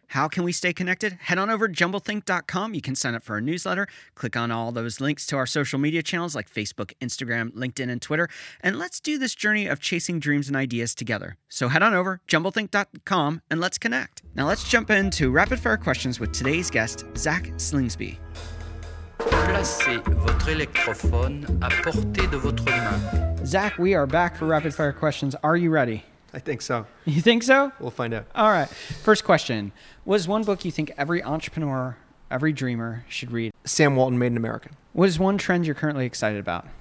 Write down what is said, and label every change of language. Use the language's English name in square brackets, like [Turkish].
[English] How can we stay connected? Head on over to jumblethink.com. You can sign up for our newsletter, click on all those links to our social media channels like Facebook, Instagram, LinkedIn, and Twitter, and let's do this journey of chasing dreams and ideas together. So head on over, jumblethink.com, and let's connect. Now let's jump into rapid fire questions with today's guest, Zach Slingsby. [French] Placez votre électrophone à portée de votre main. [English] Zach, we are back for rapid fire questions. Are you ready? I think so. You think so? We'll find out. All right. First question. What is one book you think every entrepreneur, every dreamer should read? Sam Walton, Made in America. What is one trend you're currently excited about?